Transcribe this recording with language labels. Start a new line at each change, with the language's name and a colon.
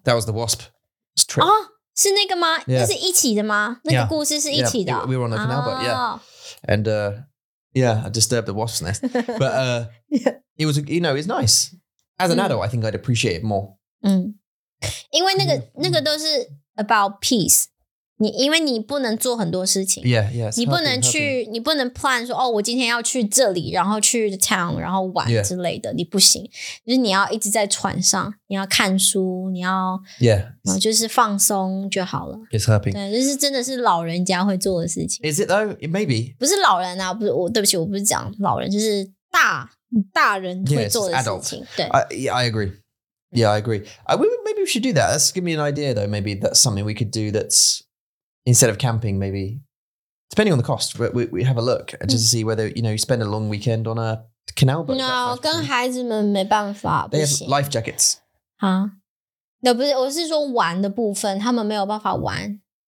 English: That was the wasp. It's true.
Chinese: 是那个吗?Yeah. 是一起的吗?那个故事是一起的?
English: Yeah. We were on a canal boat, yeah. And I disturbed the wasp's nest. But yeah. It was, you know, it's nice. As an adult, I think I'd appreciate it more.
Chinese: 因为那个都是
English: about peace.
Chinese: 因为你不能做很多事情.
English: Yeah, yeah.
Chinese: 你不能 plan 说,哦,我今天要去这里, 然后去 town, 然后玩 yeah. 之类的, 你不行. 就是你要一直在船上, 你要看书, 你要,
English: yeah.
Chinese: 就是放松就好了.
English: It's herping.
Chinese: 对,就是真的是老人家会做的事情.
English: Is it though? Maybe.
Chinese: 不是老人啊, 不是, 对不起, 我不是讲老人, 就是大人会做的事情.
English: Yeah, it's adults. I agree. Yeah, I agree. Maybe we should do that. That's give me an idea though. Maybe that's something we could do that's... Instead of camping, maybe, depending on the cost, we have a look and just see whether, you know, you spend a long weekend on a canal boat.
Chinese: No, 跟孩子们没办法,
English: they have life jackets. Huh?
Chinese: No, 不是,我是说玩的部分,他们没有办法玩.